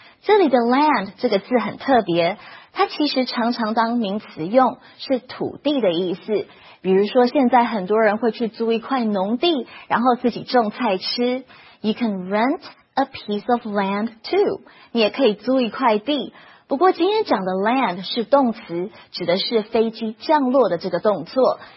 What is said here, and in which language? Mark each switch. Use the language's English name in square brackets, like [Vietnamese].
[Chinese] 这里的 land 这个字很特别，它其实常常当名词用，是土地的意思。比如说现在很多人会去租一块农地，然后自己种菜吃。 [English] You can rent a piece of land too. [Chinese] 你也可以租一块地。不过今天讲的 land 是动词，指的是飞机降落的这个动作。